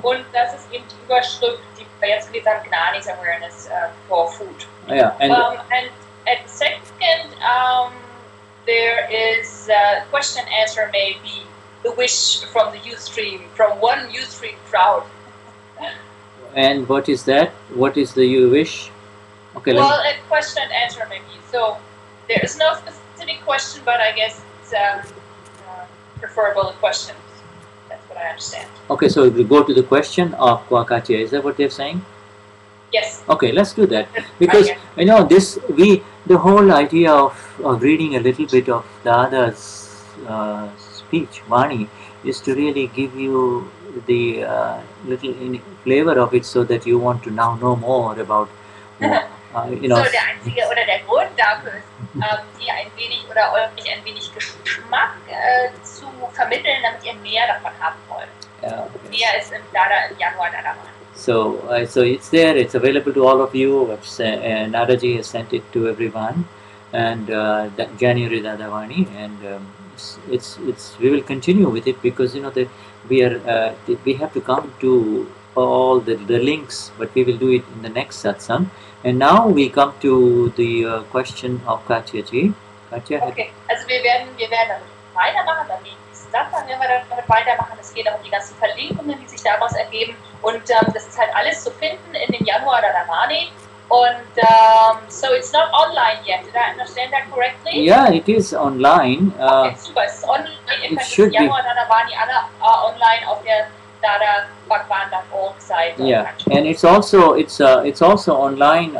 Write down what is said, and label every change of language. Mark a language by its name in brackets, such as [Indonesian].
[German] Und das ist eben die Überschrift, die wir jetzt gesagt haben, Gnani's Awareness for Food. [English] Yeah. And at second, there is a question answer maybe the wish from the Ustream, from one Ustream crowd. And what is that? What is the you wish? Okay. Well, a question and answer maybe. So there is no specific question, but I guess it's preferable in questions. That's what I understand. Okay, so we go to the question of Kwakatia. Is that what they're saying? Yes. Okay, let's do that. Because, you know, this we the whole idea of reading a little bit of Dada's speech, Vani, is to really give you the little flavor of it, so that you want to now know more about, you know. [German] So der einzige oder der Grund dafür ist, die ein wenig oder euch ein wenig Geschmack zu vermitteln, damit ihr mehr davon haben wollt. [English] Yeah, [German] okay. Mehr ist im Januar da dran. [English] So it's there. It's available to all of you. Naraji has sent it to everyone, and January Dadavani, and it's we will continue with it, because you know that we have to come to all the links, but we will do it in the next satsang. And now we come to the question of Katja ji. Katja, [German] okay, also wir werden weitermachen, dann nächsten Satsang werden wir damit weitermachen. Es geht auch um die ganzen Verlinkungen, die sich daraus ergeben, und das ist halt alles zu finden in den Januar oder Dadavani. [English] And so it's not online yet, did I understand that correctly? Yeah, it is online. Okay, super, it's online. It should be. Januar Dadavani are online on the dadabhagwan.org site. Yeah, and it's also online.